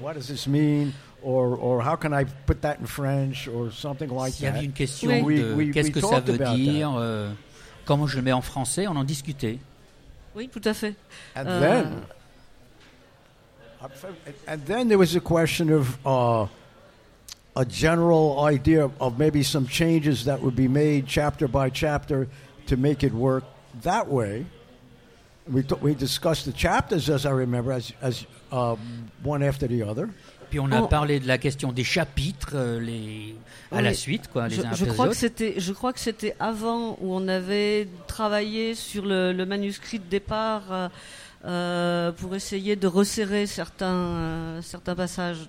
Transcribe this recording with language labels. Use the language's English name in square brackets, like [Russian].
[English] what does this mean, or how can I put that in French, or something like that. [French] Il y avait une question de qu'est-ce que ça veut dire, comment je le mets en français. On en discutait. Oui, tout à fait. [English] And then there was a question of a general idea of maybe some changes that would be made chapter by chapter to make it work that way. We discussed the chapters, as I remember, as one after the other. [French] Puis on a parlé de la question des chapitres la suite, quoi, les uns après les autres. Je crois que c'était avant où on avait travaillé sur le manuscrit de départ pour essayer de resserrer certains passages.